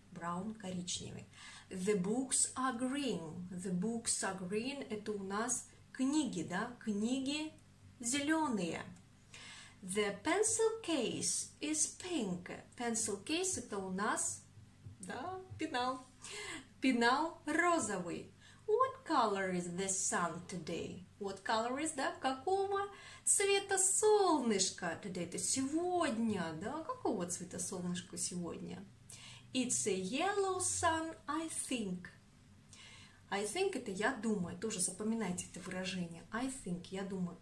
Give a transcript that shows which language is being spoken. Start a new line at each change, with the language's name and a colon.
English: Brown – коричневые. The books are green. The books are green
Russian: – это у нас книги, да? Книги зеленые.
English: The pencil case is pink.
Russian: Pencil case – это у нас, да, пенал. Пенал розовый.
English: What color is the sun today? What color is, да?
Russian: Какого цвета солнышко today? Это сегодня, да? Какого цвета солнышко сегодня?
English: It's a yellow sun, I think. I think
Russian: – это я думаю. Тоже запоминайте это выражение. I think – я думаю.